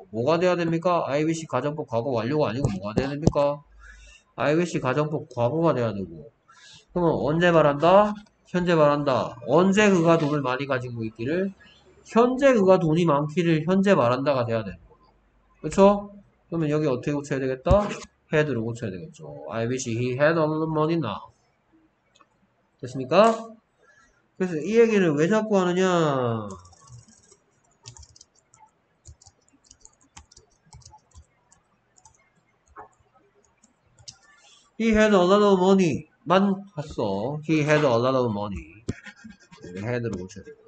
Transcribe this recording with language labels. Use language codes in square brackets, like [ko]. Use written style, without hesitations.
[ko] 뭐가 돼야 됩니까? I wish 가정법 과거 완료가 아니고 뭐가 돼야 됩니까? I wish 가정법 과거가 돼야 되고. 그러면 언제 말한다? 현재 말한다. 언제 그가 돈을 많이 가지고 있기를? 현재 그가 돈이 많기를 현재 말한다가 돼야 되는 거죠. 그렇죠? 그러면 여기 어떻게 고쳐야 되겠다? Had로 고쳐야 되겠죠. [en] I wish he had all the money now. [ko] 됐습니까? 그래서 이 얘기를 왜 자꾸 하느냐? [en] He had a lot of money만 [ko] 봤어. [en] He had a lot of money. Had로 [ko] 고쳐야 돼.